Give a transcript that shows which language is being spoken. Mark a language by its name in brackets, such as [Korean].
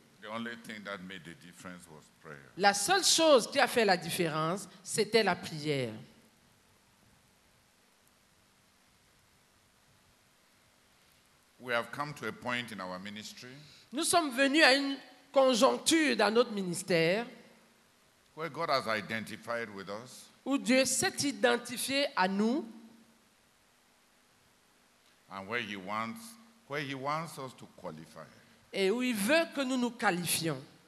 [English] The only thing that made the difference was prayer. [French] La seule chose qui a fait la différence, c'était la prière. [English] We have come to a point in our ministry. [French] Nous sommes venus à une conjoncture dans notre ministère. [English] Where God has identified with us. [French] Où Dieu s'est identifié à nous. [English] And where he wants us to qualify. [French] Et où il veut que nous nous qualifions.